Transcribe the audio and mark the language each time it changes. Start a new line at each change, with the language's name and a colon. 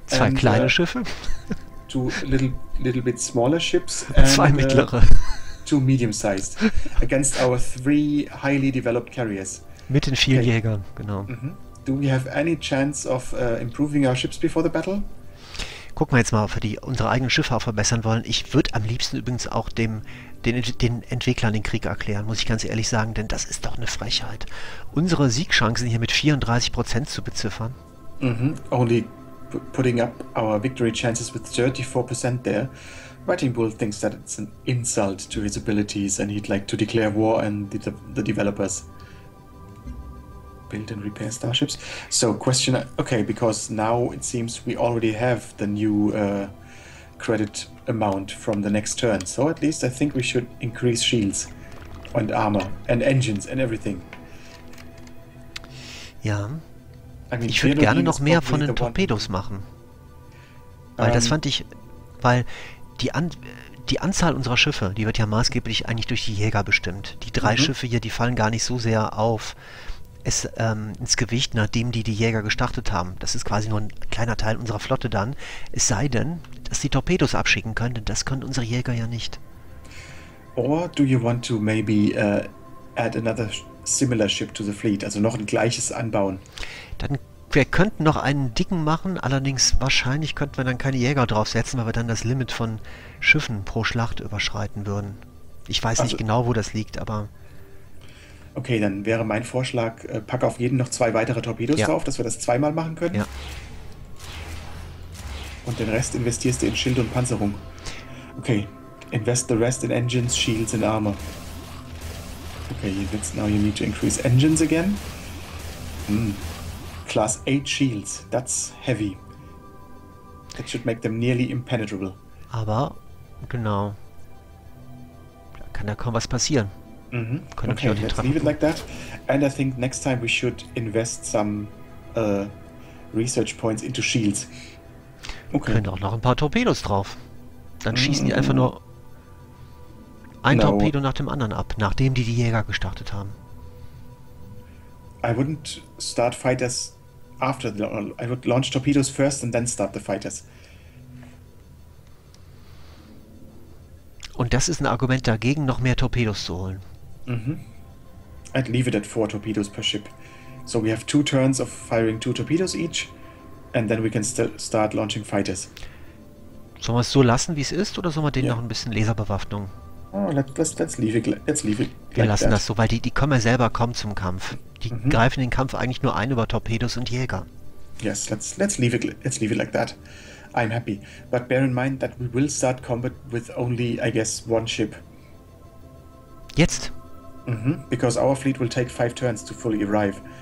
German: 2 kleine Schiffe.
English: 2 little bit smaller ships.
German: And, 2 mittlere.
English: 2 medium-sized. Against our 3 highly developed carriers.
German: Mit den vielen Jägern, genau. Mm-hmm.
English: Do we have any chance of improving our ships before the battle?
German: Gucken wir jetzt mal, ob wir unsere eigenen Schiffe auch verbessern wollen. Ich würde am liebsten übrigens auch den Entwicklern den Krieg erklären, muss ich ganz ehrlich sagen, denn das ist doch eine Frechheit. Unsere Siegchancen hier mit 34% zu beziffern. Mm-hmm.
English: Only putting up our victory chances with 34% there. Writing Bull thinks that it's an insult to his abilities and he'd like to declare war on the developers. Build and repair starships. So question, okay, because now it seems we already have the new credit amount from the next turn. So at least I think we should increase shields and armor and engines and everything.
German: Ja.
English: I mean,
German: ich würde gerne noch mehr von den Torpedos machen. Weil das fand ich, weil die Anzahl unserer Schiffe, die wird ja maßgeblich eigentlich durch die Jäger bestimmt. Die 3 Schiffe hier, die fallen gar nicht so sehr auf. Es ins Gewicht, nachdem die Jäger gestartet haben. Das ist quasi nur ein kleiner Teil unserer Flotte dann. Es sei denn, dass die Torpedos abschicken können, denn das können unsere Jäger ja nicht.
English: Or do you want to maybe add another similar ship to the fleet?
German: Also noch ein gleiches anbauen? Dann, wir könnten noch einen dicken machen, allerdings wahrscheinlich könnten wir dann keine Jäger draufsetzen, weil wir dann das Limit von Schiffen pro Schlacht überschreiten würden. Ich weiß nicht genau, wo das liegt, aber... Okay, dann wäre mein Vorschlag, packe auf jeden noch 2 weitere Torpedos drauf, dass wir das 2-mal machen können. Ja. Und den Rest investierst du in Schild und Panzerung.
English: Okay, invest the rest in engines, shields and armor. Okay, now you need to increase engines again. Hm. Class 8 shields, that's heavy. That should make them nearly impenetrable.
German: Aber, genau, da kann da kaum was passieren.
English: Mhm. Okay, let's leave it like that. And I think next time we should invest some research points into shields.
German: Okay. Können auch noch ein paar Torpedos drauf. Dann schießen die einfach nur ein Torpedo nach dem anderen ab, nachdem die Jäger gestartet haben.
English: I wouldn't start fighters after the... I would launch torpedoes first and then start the fighters.
German: Und das ist ein Argument dagegen, noch mehr Torpedos zu holen.
English: Mm-hmm. I'd leave it at 4 torpedoes per ship. So we have 2 turns of firing 2 torpedoes each and then we can start launching fighters.
German: Sollen wir es so lassen, wie es ist, oder sollen wir denen noch ein bisschen Laserbewaffnung?
English: Oh, let's leave it.
German: Wir lassen das so, weil die kommen ja selber kaum zum Kampf. Die greifen den Kampf eigentlich nur ein über Torpedos und Jäger.
English: Yes, let's leave it like that. I'm happy. But bear in mind that we will start combat with only, I guess, 1 ship.
German: Jetzt? Mm-hmm.
English: Because our fleet will take 5 turns to fully arrive.